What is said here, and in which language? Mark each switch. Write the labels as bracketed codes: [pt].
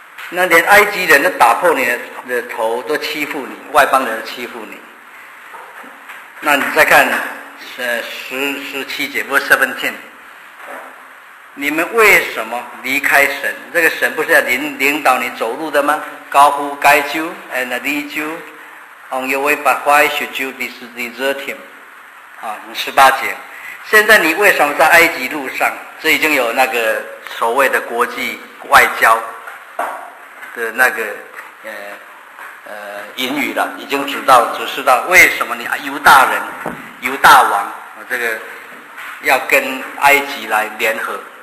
[zh] 那连埃及人都打破你的头，都欺负你，外邦人欺负你。那你再看十七节 [en] verse 17， [zh] 你们为什么离开神？这个神不是要领导你走路的吗？高呼 [en] guide you and lead you on your way， but why should you desert him？ [zh] 啊，十八节，现在你为什么在埃及路上？这已经有那个所谓的国际外交的那个隐语了，已经指示到为什么你犹大王这个要跟埃及来联合。